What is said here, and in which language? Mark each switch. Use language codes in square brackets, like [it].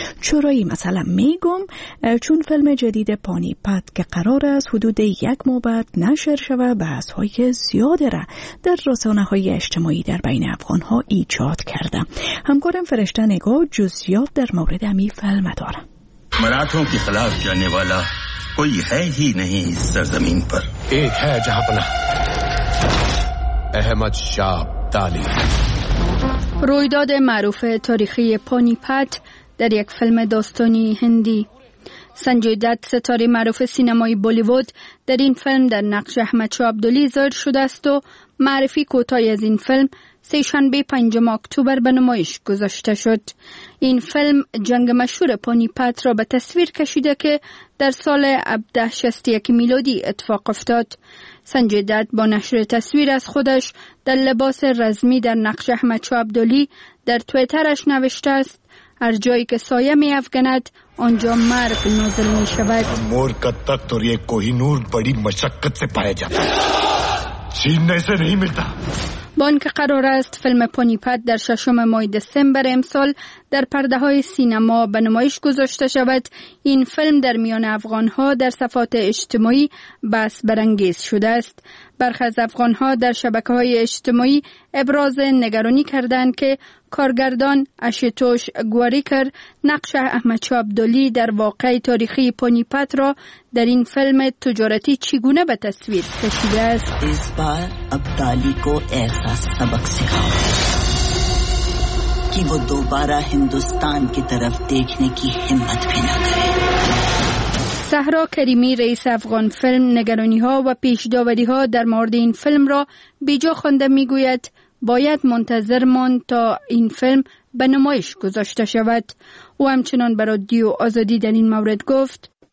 [fa] چرا این مثلا میگم؟ چون فیلم جدید پانی پت که قرار است حدود یک ماه بعد نشر شوه، بحث های زیاده را در رسانه های اجتماعی در بین افغان ها ایجاد کرده. همکارم فرشته نگاه جزئیات در مورد امی فیلم داره. [ur] مراتوں کے خلاف جانے والا کوئی ہے ہی نہیں اس سرزمین پر. ایک ہے جہاں پناہ، احمد شاہ ابدالی. [fa] رویداد معروف تاریخی پانی پت در یک فیلم داستانی هندی. سنجی دت، ستاره معروف سینمای بالیوود، در این فیلم در نقش احمد شاہ ابدالی ظاهر شده است و معرفی کوتاهی از این فیلم سه‌شنبه 5 اکتبر به نمایش گذاشته شد. این فیلم جنگ مشهور پانی پت را به تصویر کشیده که در سال 1761 میلادی اتفاق افتاد. سنجی دت با نشر تصویر از خودش در لباس رزمی در نقش احمد شاہ ابدالی در توییترش نوشته است: هر جایی که سایه می افگند آنجا مرگ نازل می شود. [ur] مور کا تخت اور یہ کوہ نور بڑی مشقت سے پایا جاتا ہے، چھیننے سے نہیں ملتا. [fa] بان که قرار است فیلم پانی پت در 6 ماه دسامبر امسال در پرده های سینما به نمایش گذاشته شود، این فیلم در میان افغان ها در صفحات اجتماعی بحث برانگیز شده است. برخی از افغان ها در شبکه های اجتماعی ابراز نگرانی کردند که کارگردان آشوتوش گواریکر نقش احمد شاہ ابدالی در واقعه تاریخی پانی پت را در این فیلم تجارتی چگونه به تصویر کشیده است. [ur] از بار ابدالی کو ایسا سبق سکھاؤ کی وہ دوبارہ ہندوستان کی طرف دیکھنے کی ہمت بھی نہ کرے. [fa] سهرا کریمی، رئیس افغان فیلم، نگرانی ها و پیش داوری ها در مورد این فیلم را بی جا خوانده می گوید: باید منتظر ماند تا این فیلم به نمایش گذاشته شود. او همچنان برای رادیو آزادی در این مورد گفت: